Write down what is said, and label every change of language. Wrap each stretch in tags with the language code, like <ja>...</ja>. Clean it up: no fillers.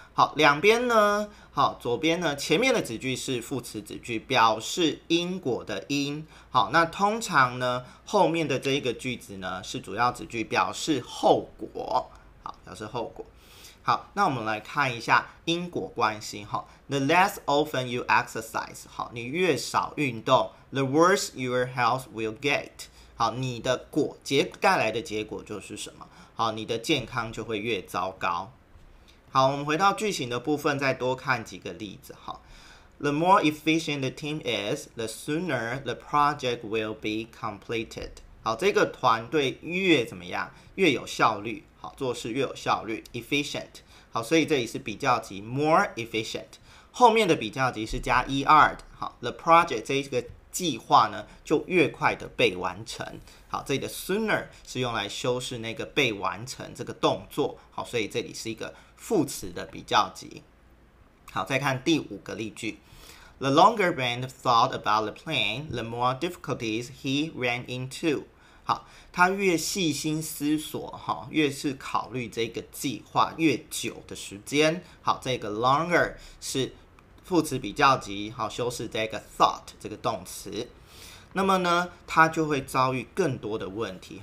<zh>好，两边呢，好，左边呢前面的子句是副词子句，表示因果的因。好，那通常呢后面的这一个句子呢是主要子句，表示后果。好，表示后果。好，那我们来看一下因果关系。</zh> <en>好， The less often you exercise， 好，</en> <zh>你越少运动，</zh> <en>The worse your health will get。</en> <zh>好，你的果结带来的结果就是什么？好，你的健康就会越糟糕。好，我们回到句型的部分，再多看几个例子。</zh> <en>好， The more efficient the team is, the sooner the project will be completed。</en> <zh>好，这个团队越怎么样越有效率，好，做事越有效率， efficient。好，所以这里是比较级 more efficient， 后面的比较级是加 er 的。好， the project 这个计划呢就越快的被完成。好，这里的 sooner 是用来修饰那个被完成这个动作。好，所以这里是一个副词的比较级。好，再看第五个例句。</zh> <en>The longer Rand thought about the plan, the more difficulties he ran into。</en> <zh>好，他越细心思索，越是考虑这个计划越久的时间。好，这个 longer 是副词比较级，好，修饰这个 thought 这个动词。那么呢他就会遭遇更多的问题。</zh>